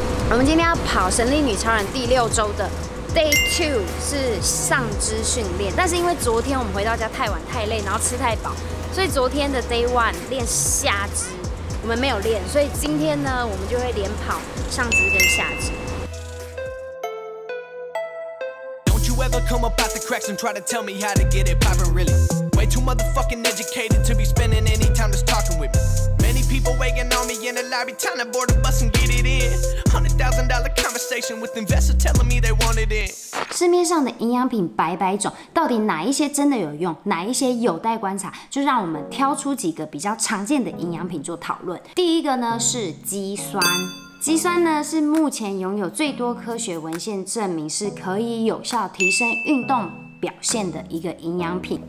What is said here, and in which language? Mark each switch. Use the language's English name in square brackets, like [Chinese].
[Chinese] 我们今天要跑神力女超人第六周的 Day 2，是上肢训练。但是因为昨天我们回到家太晚太累，然后吃太饱，所以昨天的 Day 1练下肢，我们没有练。所以今天呢，我们就会连跑上肢跟下肢。 [English] Come up out the cracks and try to tell me how to get it poppin' really. Way too motherfucking educated to be spending any time just talking with me. Many people waiting on me in the lobby, time to board a bus and get it in. $100,000 conversation with investors telling me they want it in. [Chinese] 市面上的营养品百百种，到底哪一些真的有用，哪一些有待观察，就让我们挑出几个比较常见的营养品做讨论。第一个呢是肌酸。肌酸呢是目前拥有最多科学文献证明是可以有效提升运动表现的一个营养品。